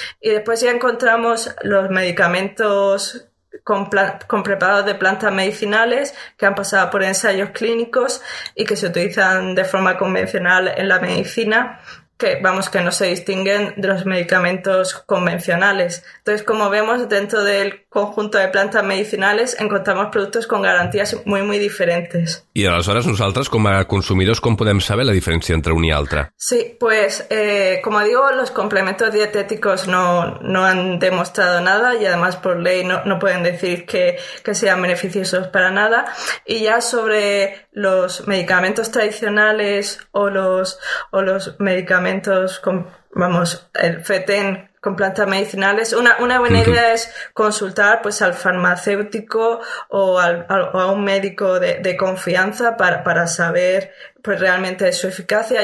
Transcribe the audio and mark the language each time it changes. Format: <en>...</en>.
<es>Y después ya encontramos los medicamentos con preparados de plantas medicinales que han pasado por ensayos clínicos y que se utilizan de forma convencional en la medicina, que vamos, que no se distinguen de los medicamentos convencionales. Entonces, como vemos, dentro del conjunto de plantas medicinales encontramos productos con garantías muy muy diferentes.</es> <ca>Y aleshores nosaltres, com a consumidors, com podem saber la diferència entre un i altre?</ca> <es>Sí, pues como digo, los complementos dietéticos no han demostrado nada, y además por ley no pueden decir que sean beneficiosos para nada. Y ya sobre los medicamentos tradicionales o los medicamentos el FETEN con plantas medicinales, una buena idea es consultar pues al farmacéutico o a un médico de confianza para saber pues realmente su eficacia.</es>